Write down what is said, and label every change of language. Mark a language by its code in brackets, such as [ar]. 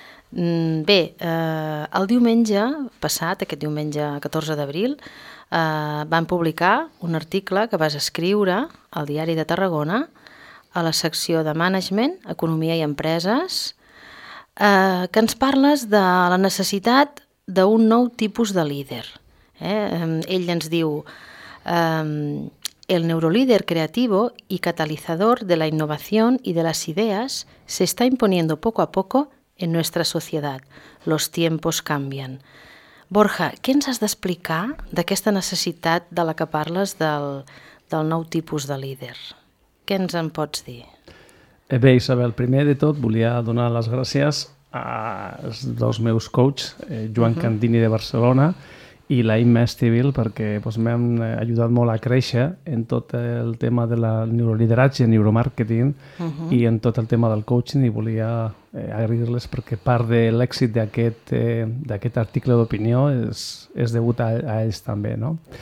[ca] Bé, el diumenge passat, aquest diumenge 14 d'abril, van publicar un article que vas escriure al Diari de Tarragona a la secció de Management, Economia i Empreses, que ens parles de la necessitat d'un nou tipus de líder. Ell ens diu [es] el neurolíder creativo y catalizador de la innovación y de las ideas se está imponiendo poco a poco en nuestra sociedad. Los tiempos cambian. [ca] Borja, què ens has d'explicar d'aquesta necessitat de la que parles del nou tipus de líder? Què ens en pots dir? Bé, Isabel, primer de tot volia donar les gràcies als dos meus coachs, Joan Candini de Barcelona i la Imma Estivill, perquè m'han ajudat molt a créixer en tot el tema del neuroliderage, neuromarketing i en tot el tema del coaching, i volia agrair-les perquè part de l'èxit d'aquest article d'opinió és degut a ells també, no?